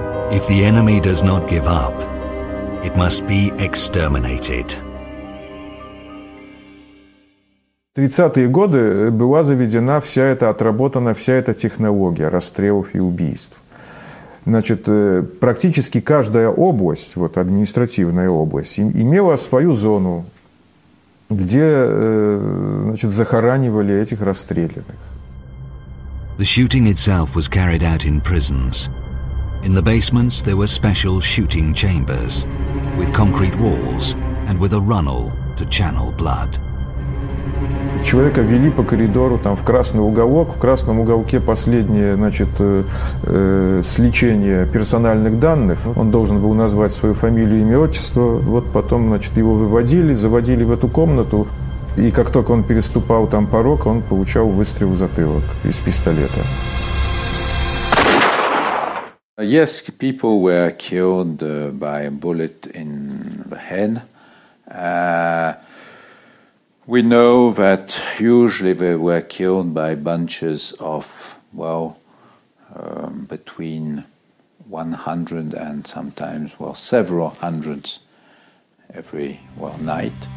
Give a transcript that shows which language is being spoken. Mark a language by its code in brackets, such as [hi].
[en] If the enemy does not give up, it must be exterminated. [ru] 30-е годы была заведена вся эта, отработана вся эта технология расстрелов и убийств. Значит, практически каждая область, вот административная область, имела свою зону, где, значит, захоранивали этих расстрелянных. [en] The shooting itself was carried out in prisons. In the basements there were special shooting chambers with concrete walls and with a runnel to channel blood. [ru] Человека вели по коридору там, в красный уголок. В красном уголке последнее, значит, сличение персональных данных. Он должен был назвать свою фамилию, имя, отчество. Вот потом, значит, его выводили, заводили в эту комнату. И как только он переступал там порог, он получал выстрел в затылок из пистолета. [en] Yes, people were killed by a bullet in the head. We know that usually they were killed by bunches of, well, between 100 and sometimes, well, several hundreds every, well, night.